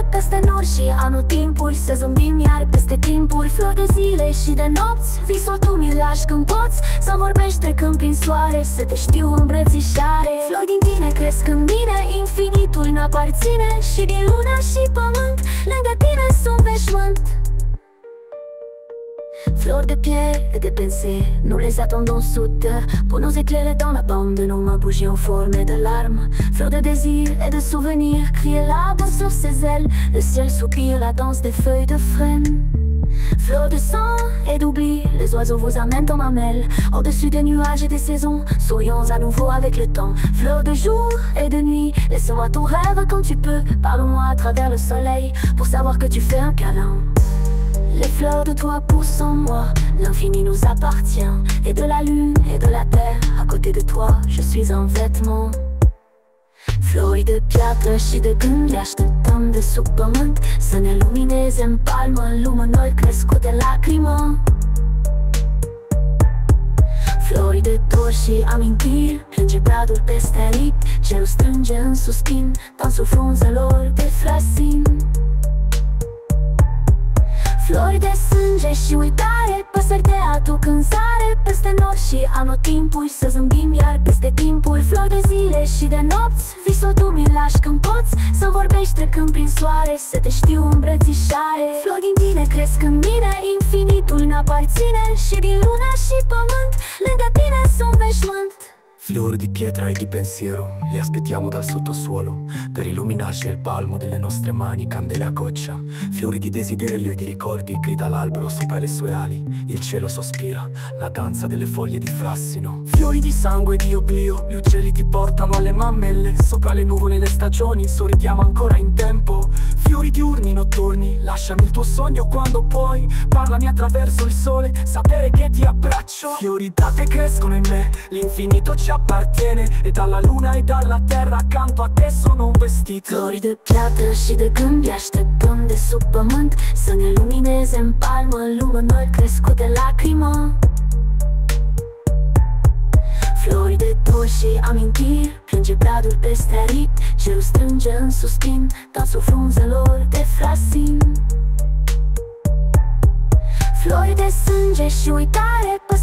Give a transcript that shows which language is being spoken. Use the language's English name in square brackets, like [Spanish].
[Romanian] Peste nori și anotimpuri, să zâmbim iar peste timpuri. Flori de zile și de nopți, visul tu mi-l lași când poți. Să vorbești trecând prin soare, să te știu îmbrățișare. Flori din tine cresc în mine, infinitul n-aparține. Și din luna și pământ, lângă tine sunt veșmânt. Flori de piele [French] de pensée, nous les attendons soudain. Pour nos éclairs dans la bande, nous ma bougie en forme de larmes. Flori de désir et de souvenir, crie l'arbre sur ses ailes. Le ciel soupire la danse des feuilles de frêne. Flori de sang et d'oubli, les oiseaux vous amènent en mamelle. Au-dessus des nuages et des saisons, soyons à nouveau avec le temps. Flori de jour et de nuit, laisse-moi ton rêve quand tu peux. Parle-moi à travers le soleil, pour savoir que tu fais un câlin. Les fleurs de toi poussent en moi, l'infini nous appartient. Et de la lune et de la terre, à côté de toi, je suis un vêtement. [Romanian] Flori de piatră și de gând, le așteptăm de sub pământ să ne lumineze în palmă, lumânări crescute lacrimă. Flori de dor și amintiri, plânge bradul peste aripi. Cerul strânge în suspin, dansul frunzelor de frasin. Flori de sânge și uitare, păsări te aduc în zare. Peste nori și anotimpuri, să zâmbim iar peste timpuri. Flori de zile și de nopți, visul tu mi-l lași când poți. Să vorbești trecând prin soare, să te știu îmbrățișare. Flori din tine cresc în mine, infinitul n-aparține. Și din luna și pământ, lângă tine sunt veșmânt. [Italian] Flori di pietra e di pensiero, le aspettiamo dal sottosuolo. Per illuminarci il palmo delle nostre mani, candele a goccia. Fiori di desiderio e di ricordi, grida l'albero sopra le sue ali. Il cielo sospira, la danza delle foglie di frassino. Fiori di sangue e di oblio, gli uccelli ti portano alle mammelle. Sopra le nuvole e le stagioni, sorridiamo ancora in tempo. Fiori diurni e notturni, lasciami il tuo sogno quando puoi. Parlami attraverso il sole, sapere che ti abbraccio. Fiori da te crescono in me, l'infinito ci appartiene. E dalla luna e dalla terra accanto a te sono un vestito. [Romanian] Flori de piatră și de gând, așteptăm de sub pământ să ne lumineze în palmă, lumânări crescute lacrimă. Flori de dor și amintiri, plânge bradul peste aripi. Cerul strânge în suspin, dansul frunzelor de frasin. Flori de sânge și uitare, păsări.